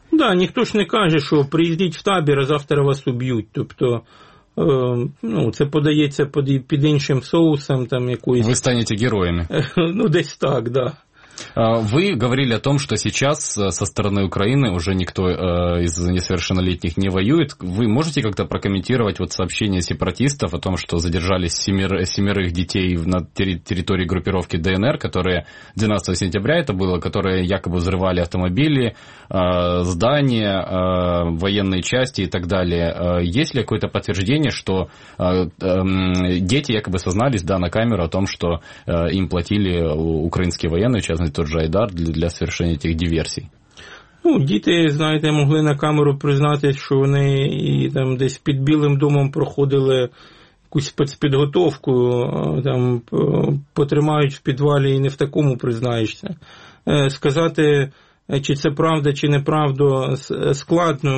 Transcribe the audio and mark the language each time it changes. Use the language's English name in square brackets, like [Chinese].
[Ukrainian] Да, ніхто ж не каже, що приїздіть в табір, а завтра вас уб'ють. Тобто, ну, це подається під іншим соусом, там якоюсь. Ви станете героями. Ну, десь так, да. [Russian] Ви говорили о том, що сейчас со стороны України уже ніхто із несовершеннолетніх [Ukrainian] не воює. [Russian] Ви можете как-то прокоментировать вот сообщение сепаратистов о том, що задержали семерых дітей на території группировки ДНР, которые 12 сентября это было, которые якобы взрывали автомобили, здания, военные части и так далее. Есть ли какое-то подтверждение, что дети якобы сознались, да, на камеру о том, что им платили украинские военные, в частности, тот же Айдар для совершения этих диверсий? [Ukrainian] Ну, діти, знаєте, могли на камеру признатись, що вони і там десь під Білим домом проходили якусь спецпідготовку, там потримають в підвалі і не в такому признаєшся. Сказати, чи це правда, чи неправда, складно.